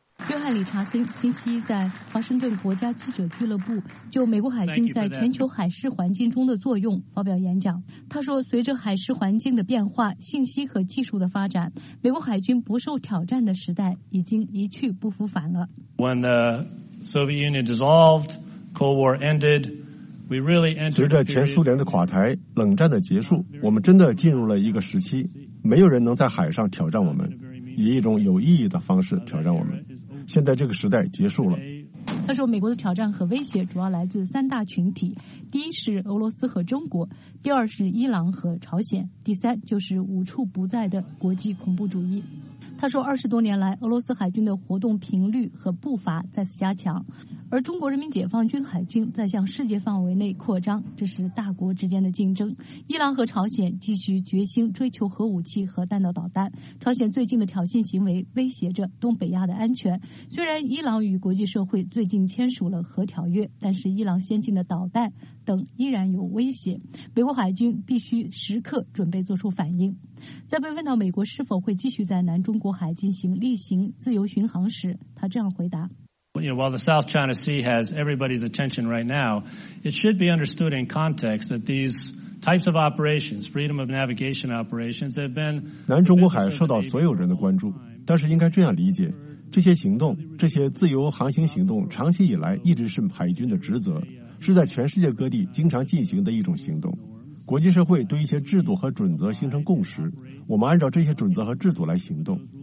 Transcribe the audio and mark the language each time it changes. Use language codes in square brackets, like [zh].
[zh] 约翰·理查森星期一在华盛顿国家记者俱乐部就美国海军在全球海事环境中的作用发表演讲。他说，随着海事环境的变化，信息和技术的发展，美国海军不受挑战的时代已经一去不复返了。 [en] When the Soviet Union dissolved, Cold War ended, we really entered. [zh] 随着前苏联的垮台，冷战的结束，我们真的进入了一个时期，没有人能在海上挑战我们，以一种有意义的方式挑战我们。现在这个时代结束了。他说，美国的挑战和威胁主要来自三大群体，第一是俄罗斯和中国，第二是伊朗和朝鲜，第三就是无处不在的国际恐怖主义。他说，二十多年来，俄罗斯海军的活动频率和步伐再次加强，而中国人民解放军海军在向世界范围内扩张，这是大国之间的竞争。伊朗和朝鲜继续决心追求核武器和弹道导弹，朝鲜最近的挑衅行为威胁着东北亚的安全。虽然伊朗与国际社会最近签署了核条约，但是伊朗先进的导弹等依然有威胁，美国海军必须时刻准备做出反应。在被问到美国是否会继续在南中国海进行例行自由巡航时，他这样回答。 [en] While the South China Sea has everybody's attention right now, it should be understood in context that these types of operations, freedom of navigation operations, have been. [zh] 南中国海受到所有人的关注，但是应该这样理解，这些行动，这些自由航行行动，长期以来一直是海军的职责，是在全世界各地经常进行的一种行动。国际社会对一些制度和准则形成共识，我们按照这些准则和制度来行动。